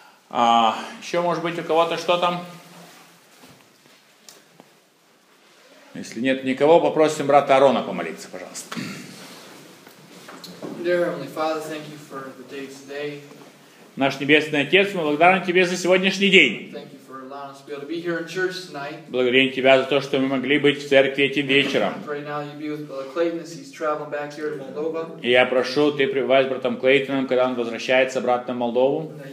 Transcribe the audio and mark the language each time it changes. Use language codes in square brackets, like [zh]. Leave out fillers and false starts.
[ru] Еще, может быть, у кого-то что там? Если нет никого, попросим брата Арона помолиться, пожалуйста. [en] Dear Heavenly Father, thank you for the day today. [ru] Наш Небесный Отец, мы благодарны Тебе за сегодняшний день. [en] Thank you for allowing us to be able to be here in church tonight. [ru] Благодарим Тебя за то, что мы могли быть в церкви этим вечером. [en] Right now you'll be with Brother Clayton as he's traveling back here to Moldova. [ru] И я прошу, Ты пребывай с братом Клейтоном, когда он возвращается обратно в Молдову.